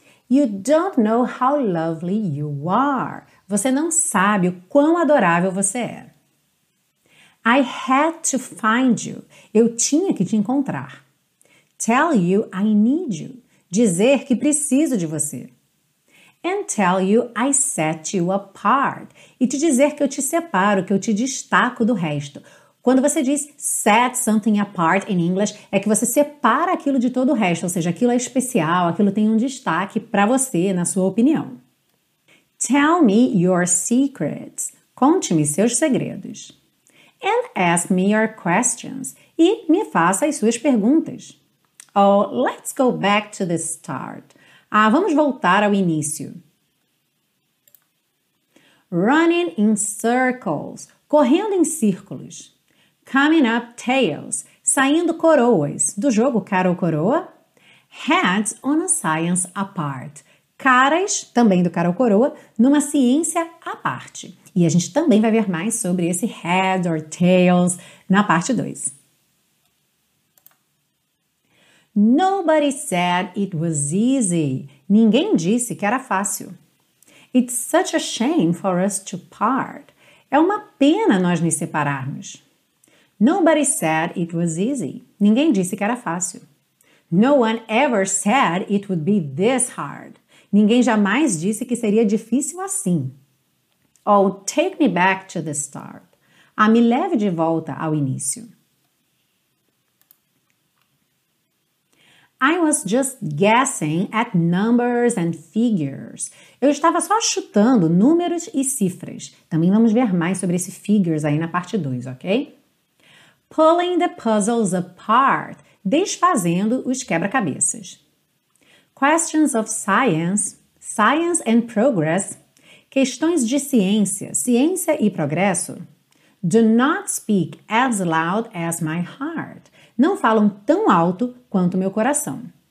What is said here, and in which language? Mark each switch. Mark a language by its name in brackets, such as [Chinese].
[English] You don't know how lovely you are, [Portuguese] você não sabe o quão adorável você é. [English] I had to find you. [Portuguese] Eu tinha que te encontrar. [English] Tell you I need you. [Portuguese] Dizer que preciso de você. [English] And tell you I set you apart. [Portuguese] E te dizer que eu te separo, que eu te destaco do resto. Quando você diz [English] set something apart [Portuguese] in English, é que você separa aquilo de todo o resto. Ou seja, aquilo é especial, aquilo tem um destaque para você, na sua opinião. [English] Tell me your secrets. [Portuguese] Conte-me seus segredos. [English] And ask me your questions. [Portuguese] E me faça as suas perguntas. [English] Oh, let's go back to the start. [Portuguese] Ah, vamos voltar ao início. [English] Running in circles. [Portuguese] Correndo em círculos. [English] Coming up tails. [Portuguese] Saindo coroas. Do jogo cara ou coroa. [English] Heads on a science apart. [Portuguese] Caras, também do cara ou coroa, numa ciência à parte. E a gente também vai ver mais sobre esse head or tails na parte 2. [English] Nobody said it was easy. [Portuguese] Ninguém disse que era fácil. [English] It's such a shame for us to part. [Portuguese] É uma pena nós nos separarmos. [English] Nobody said it was easy. [Portuguese] Ninguém disse que era fácil. [English] No one ever said it would be this hard. [Portuguese] Ninguém jamais disse que seria difícil assim. [English] Oh, take me back to the start. [Portuguese] Ah, me leve de volta ao início. [English] I was just guessing at numbers and figures. [Portuguese] Eu estava só chutando números e cifras. Também vamos ver mais sobre esse figures aí na parte 2, ok? [English] Pulling the puzzles apart. [Portuguese] Desfazendo os quebra-cabeças. [English] Questions of science, science and progress, [Portuguese] questões de ciência, ciência e progresso, [English] do not speak as loud as my heart, [Portuguese] não falam tão alto quanto meu coração.